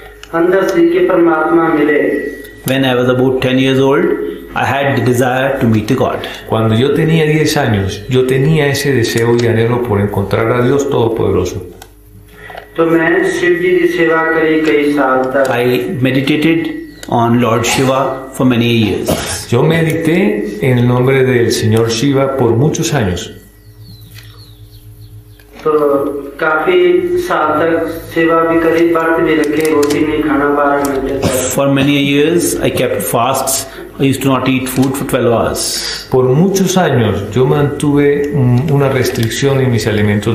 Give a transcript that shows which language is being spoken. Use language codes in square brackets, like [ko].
[en] When I was about 10 years old, I had the desire to meet the God. [es] Cuando yo tenía 10 años, yo tenía ese deseo y anhelo por encontrar a Dios Todopoderoso. [hi] तो मैं शिवजी की सेवा करी कई साल तक। [en] I meditated on Lord Shiva for many years. [es] Yo medité en el nombre del Señor Shiva por muchos años. [hi] तो काफी साल तक सेवा भी करी, व्रत भी रखे, रोटी नहीं खाना बाहर मिलता। [en] For many years I kept fasts. I used to not eat food for 12 hours. [es] Por muchos años yo mantuve una restricción en mis alimentos.